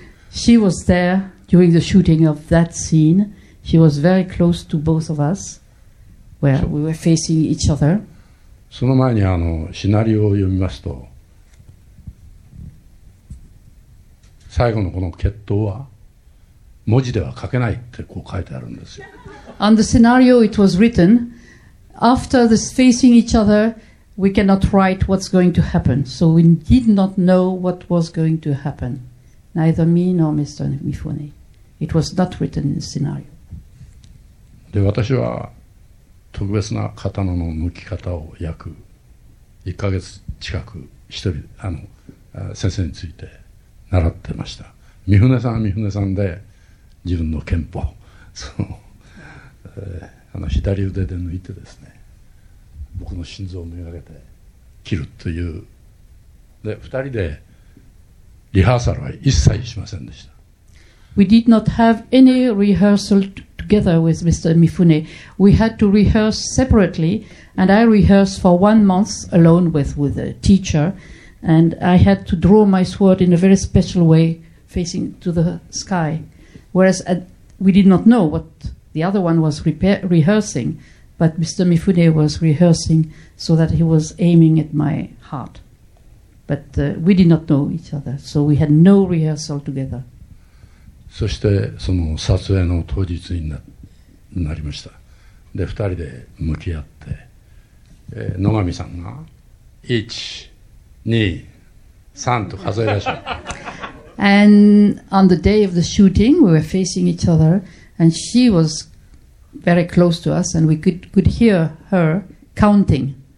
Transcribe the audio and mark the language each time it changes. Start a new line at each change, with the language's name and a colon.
English: She was there during the shooting of that scene. She was very close to both of us, where we were facing each other.
Japanese: その前にあのシナリオを読みますと、最後のこの決闘は文字では書けないってこう書いてあるんですよ。
English: On the scenario, it was written, after this facing each other, we cannot write what's going to happen. So we did not know what was going to happen. Neither me nor Mr. Mifune. It was not written in the scenario.
Japanese: で、私は特別な刀の抜き方を約1ヶ月近く一人、あの、先生について習ってました。三船さんは三船さんで自分の剣法、その、あの左腕で抜いてですね、僕の心臓を目がけて切るという、で2人でリハーサルは一切しませんでした。
English: We did not have any rehearsal together with Mr. Mifune. We had to rehearse separately, and I rehearsed for 1 month alone with a teacher. And I had to draw my sword in a very special way, facing to the sky. Whereas we did not know what the other one was rehearsing, but Mr. Mifune was rehearsing so that he was aiming at my heart. But we did not know each other, so we had no rehearsal together.
Japanese: そしてその撮影の当日になりました。で、二人で向き合って、野上さんが1、2、3と数え出した。
English: And on the day of the shooting, we were facing each other, and she was very close to us, and we could hear her counting.